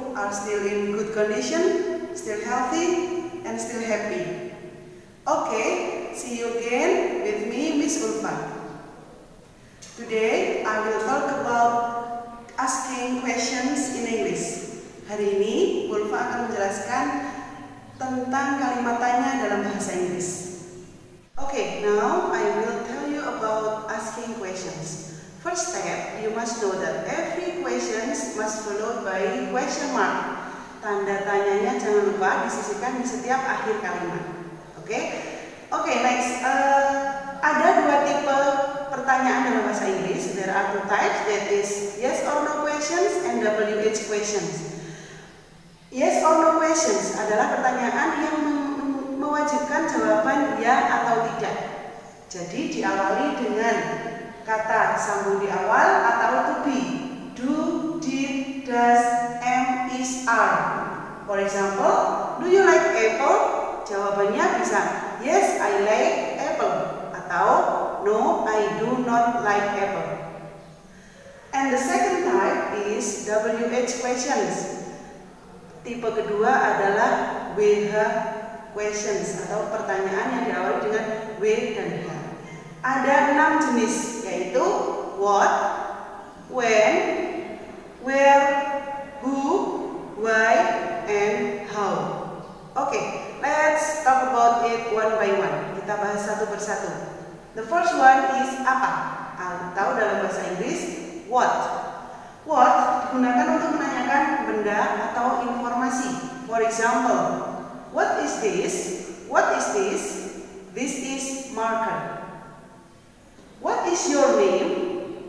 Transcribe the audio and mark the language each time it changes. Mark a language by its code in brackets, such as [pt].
[en] still in good condition, still healthy, and still happy. Okay, see you again with me, Miss Ulfa. Today, I will talk about asking questions in English. [id] Hari ini, Ulfa akan menjelaskan tentang kalimat tanya dalam bahasa Inggris. [en] Okay, now I will tell you about asking questions. First step, you must know that every question must followed by question mark. [id] Tanda tanyanya jangan lupa disisipkan di setiap akhir kalimat. Okay, next. Ada dua tipe pertanyaan dalam bahasa Inggris. [en] There are two types, that is yes or no questions and WH questions. [id] Yes or no questions adalah pertanyaan yang mewajibkan jawaban ya atau tidak. Jadi diawali dengan kata sambung di awal atau to be. [en] Do, did, does, am, is, are. For example, do you like apple? [id] Jawabannya bisa [en] yes, I like apple, atau no, I do not like apple. And the second type is WH questions. [id] Tipe kedua adalah WH questions, atau pertanyaan yang diawali dengan W dan H. Ada 6 jenis, yaitu what, when, where, who, why, and how. [en] Okay, let's talk about it one by one. [id] Kita bahas satu persatu. [en] The first one is [id] apa? Atau dalam bahasa Inggris, what. What digunakan untuk menanyakan benda atau informasi. [en] For example, what is this? What is this? This is marker. What is your name?